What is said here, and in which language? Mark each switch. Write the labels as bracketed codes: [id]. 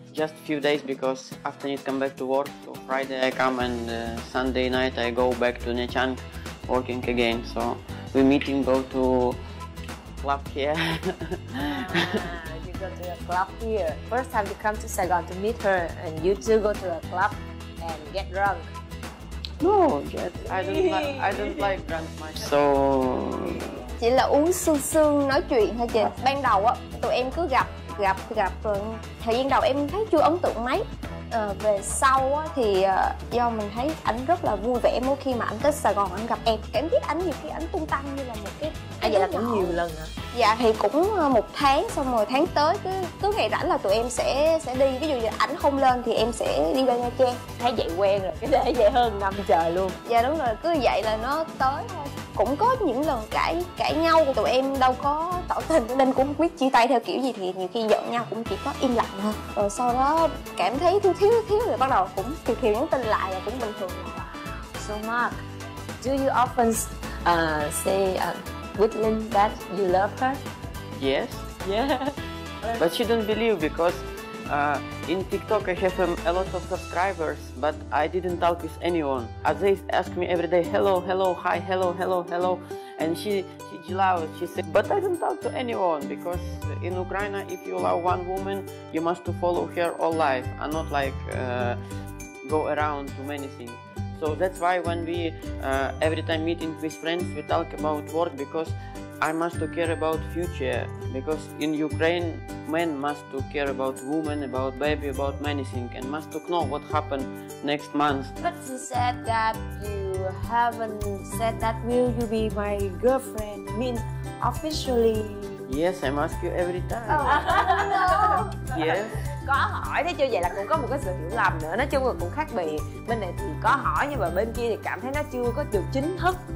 [en] Just a few days because after I need to come back to work. So Friday I come and Sunday night I go back to Nechang working again. So we meet and go to club here. You go to the club here. First time you come to Saigon to meet her, and you two go to a club and get drunk. No, yet. I don't like drunk much. So [vi] chỉ là uống sương sương nói chuyện thôi chị. Ban đầu á, tụi em cứ gặp rồi thời gian đầu em thấy chưa ấn tượng mấy. Về sau á thì do mình thấy ảnh rất là vui vẻ, mỗi khi mà ảnh tới Sài Gòn ảnh gặp em, cảm giác ảnh nhiều khi ảnh tung tăng như là một cái vậy là cũng nhiều lần à? Dạ thì cũng một tháng, xong rồi tháng tới cứ ngày rảnh là tụi em sẽ đi, ví dụ như ảnh không lên thì em sẽ đi qua Nha Trang. Thấy vậy quen rồi, cái để vậy hơn năm trời luôn. Dạ đúng rồi, cứ vậy là nó tới thôi. cũng có những lần cãi nhau, tụi em đâu có tỏ tình nên cũng không biết chia tay theo kiểu gì, thì nhiều khi giận nhau cũng chỉ có im lặng thôi. Rồi sau đó cảm thấy thiếu rồi bắt đầu cũng kiểu kiểu nhắn tin lại là cũng bình thường. [en] So Mark, do you often say with Lynn that you love her? Yes. Yeah. But she don't believe because in TikTok I have a lot of subscribers, but I didn't talk with anyone. They ask me every day, hello, hello, hi, hello, hello, hello, and she loves. She said, but I don't talk to anyone because in Ukraine, if you love one woman, you must to follow her all life, and not like go around too many things. So that's why when we every time meeting with friends, we talk about work because I must to care about future, because in Ukraine men must to care about women, about baby, about many things, and must to know what happened next month. But you said that you haven't said that will you be my girlfriend, I mean officially. Yes, I ask you every time. No. Yes. [vi] Có hỏi thế chứ, vậy là cũng có một cái sự hiểu lầm nữa. Nói chung là cũng khác biệt. Bên này thì có hỏi nhưng mà bên kia thì cảm thấy nó chưa có được chính thức.